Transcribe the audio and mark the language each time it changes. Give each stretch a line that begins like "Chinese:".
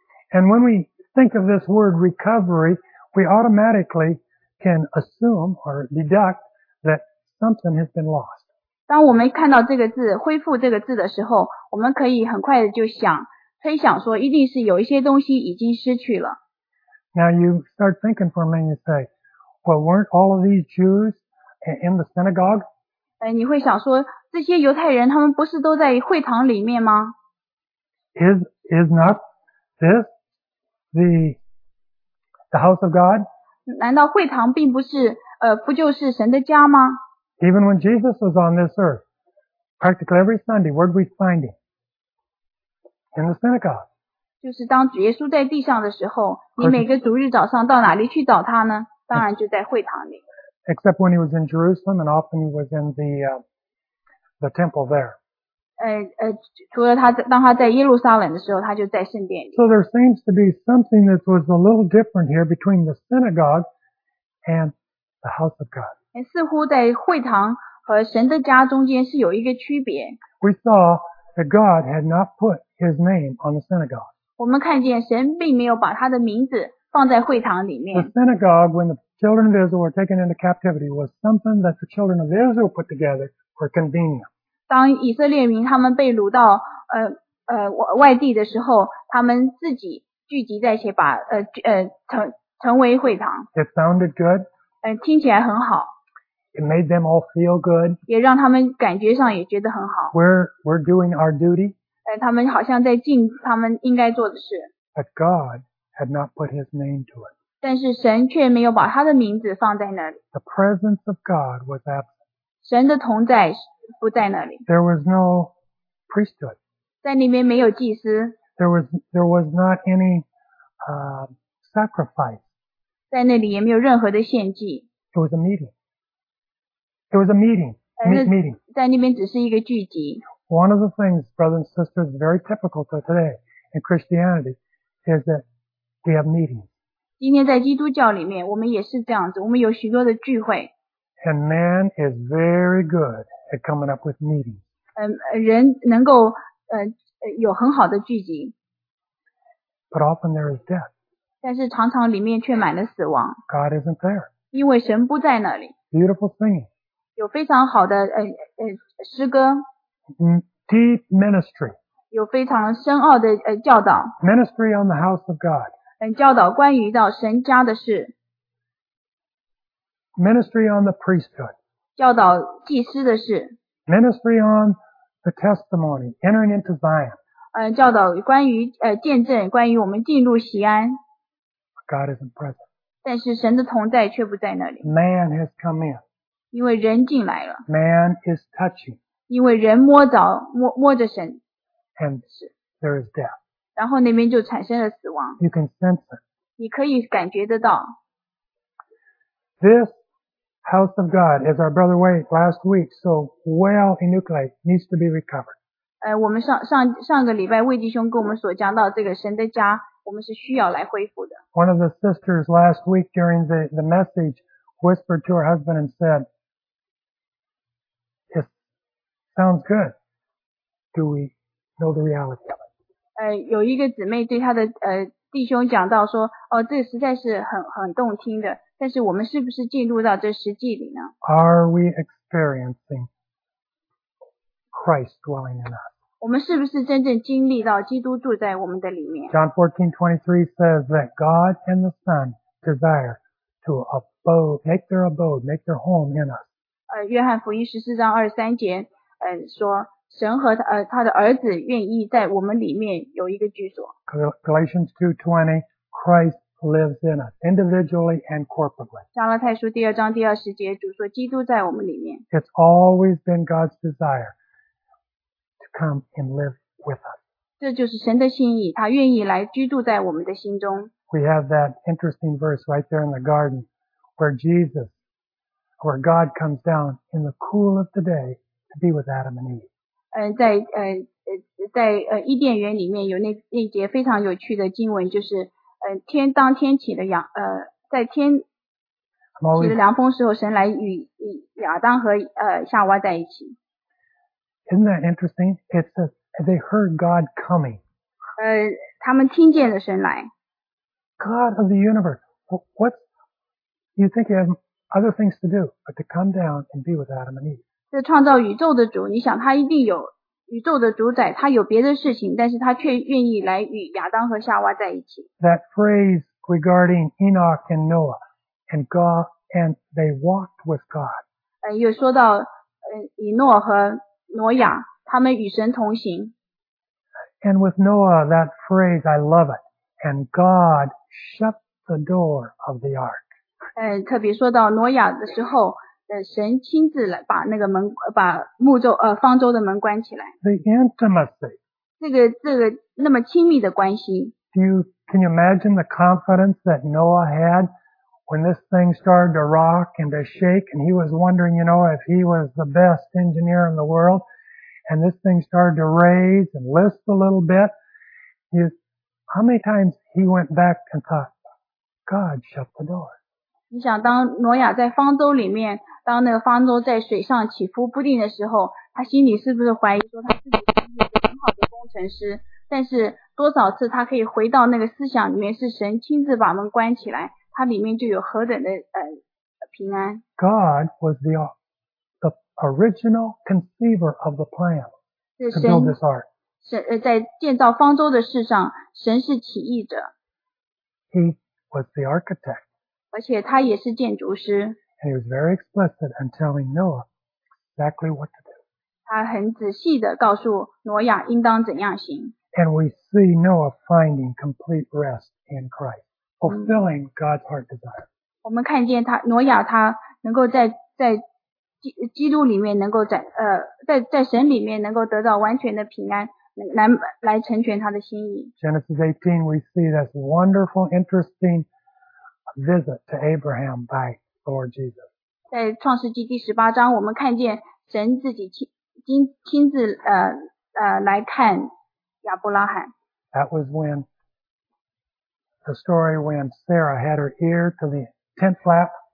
English: And when we think of this word recovery, we automatically can assume or deduct that something has been lost.
Chinese: 当我们看到这个字，恢复这个字的时候，我们可以很快的就想，推想说一定是有一些东西已经失去了。
English: Now you start thinking for a minute and say, well, weren't all of these Jews in the synagogue?
Chinese: 你会想说，这些犹太人他们不是都在会堂里面吗？
English: Is not... This, the house of God?
Chinese: 难道会堂并不是不就是神的家吗？
English: Even when Jesus was on this earth, practically every Sunday, where did we find him? In the synagogue.
Chinese: 就是当主耶稣在地上的时候，你每个主日早上到哪里去找他呢？当然就在会堂里。
English: Except when he was in Jerusalem, and often he was in the temple there.
Chinese: 除了当他在耶路撒冷的时候，他就在圣殿里。
English: So there seems to be something that was a little different here between the synagogue and the house of God.
Chinese: 似乎在会堂和神的家中间是有一个区别。
English: We saw that God had not put his name on the synagogue.
Chinese: 我们看见神并没有把他的名字放在会堂里面。
English: The synagogue, when the children of Israel were taken into captivity, was something that the children of Israel put together for convenience.
Chinese: 当以色列民他们被掳到外地的时候，他们自己聚集在一起，把成为会堂。
English: It sounded good.
Chinese: 听起来很好。
English: It made them all feel good.
Chinese: 也让他们感觉上也觉得很好。
English: We're doing our duty.
Chinese: 他们好像在尽他们应该做的事。
English: But God had not put His name to it.
Chinese: 但是神却没有把他的名字放在那里。
English: The presence of God was absent.
Chinese: 神的同在不在那里。
English: There was no priesthood.
Chinese: 在里面没有祭司。
English: There was not any sacrifice.
Chinese: 在那里也没有任何的献祭。
English: It was a meeting. It was a meeting. Meeting.
Chinese: 在那边只是一个聚集。
English: One of the things, brothers and sisters, very typical to today in Christianity is that we have meetings.
Chinese: 今天在基督教里面，我们也是这样子，我们有许多的聚会。
English: And man is very good at coming up with meetings.
Chinese: 人能够有很好的聚集。
English: But often there is death.
Chinese: 但是常常里面却满了死亡。
English: God isn't there.
Chinese: 因为神不在那里。
English: Beautiful singing.
Chinese: 有非常好的诗歌。
English: Deep ministry.
Chinese: 有非常深奥的教导。
English: Ministry on the house of God.
Chinese: 教导关于到神家的事。
English: Ministry on the priesthood.
Chinese: 教导祭司的事。
English: Ministry on the testimony, entering into Zion.
Chinese: 教导关于见证关于我们进入锡安。
English: God isn't present.
Chinese: 但是神的同在却不在那里。
English: Man has come in.
Chinese: 因为人进来了。
English: Man is touching.
Chinese: 因为人摸着神。
English: And there is death.
Chinese: 然后那边就产生了死亡。
English: You can sense it.
Chinese: 你可以感觉得到。
English: This house of God, as our brother Wade last week so well enucleated, needs to be recovered.
Chinese: 我们上个礼拜魏弟兄跟我们所讲到这个神的家，我们是需要来恢复的。
English: One of the sisters last week during the message whispered to her husband and said, "It sounds good. Do we know the reality of it?"
Chinese: 有一个姊妹对她的弟兄讲到说，这实在是很动听的。但是我们是不是进入到这实际里呢？
English: Are we experiencing Christ dwelling in us?
Chinese: 我们是不是真正经历到基督住在我们的里面？
English: John 14:23 says that God and the Son desire to abode, make their abode, make their home in us.
Chinese: 约翰福音14:23，说神和他的儿子愿意在我们里面有一个居所。
English: Galatians 2:20, Christ lives in us, individually and corporately.
Chinese: 加拉太书第二章第二十节，主说基督在我们里面。
English: It's always been God's desire to come and live with us.
Chinese: 这就是神的心意，他愿意来居住在我们的心中。
English: We have that interesting verse right there in the garden where Jesus, where God comes down in the cool of the day to be with Adam and Eve.
Chinese: 在伊甸园里面有那节非常有趣的经文，就是天当天起的阳在天起的凉风时候，神来与亚当和夏娃在一起。
English: Isn't that interesting? It says they heard God coming.
Chinese: 他们听见了神来。
English: God of the universe, what you think you have other things to do but to come down and be with Adam and Eve?
Chinese: 这创造宇宙的主，你想他一定有宇宙的主宰，他有别的事情，但是他却愿意来与亚当和夏娃在一起。
English: That phrase regarding Enoch and Noah and God and they walked with God.
Chinese: 又说到以诺和挪亚，他们与神同行。
English: And with Noah, that phrase, I love it. And God shut the door of the ark.
Chinese: 特别说到挪亚的时候，神亲自来把那个门，把木舟方舟的门关起来。
English: The intimacy.
Chinese: 这个那么亲密的关系。
English: Can you imagine the confidence that Noah had when this thing started to rock and to shake and he was wondering, you know, if he was the best engineer in the world and this thing started to raise and list a little bit. How many times he went back and thought, God shut the door.
Chinese: 你想当挪亚在方舟里面，当那个方舟在水上起伏不定的时候，他心里是不是怀疑说他自己是不是一个很好的工程师？但是多少次他可以回到那个思想里面，是神亲自把门关起来，他里面就有何等的平安。
English: God was the original conceiver of the plan to build this ark.
Chinese: 神在建造方舟的事上，神是起义者。
English: He was the architect.
Chinese: 而且他也是建筑师。
English: And he was very explicit in telling Noah exactly what to do.
Chinese: 他很仔细地告诉挪亚应当怎样行。
English: And we see Noah finding complete rest in Christ, fulfilling God's heart desire.
Chinese: 我们看见他挪亚他能够在基督里面能够在神里面能够得到完全的平安，来成全他的心意。
English: Genesis 18, we see this wonderful, interesting visit to Abraham by the Lord Jesus.
Chinese: 在创世纪第十八章，我们看见神自己亲自来看亚伯拉罕。
English: That was when the story when Sarah had her ear to the tent flap.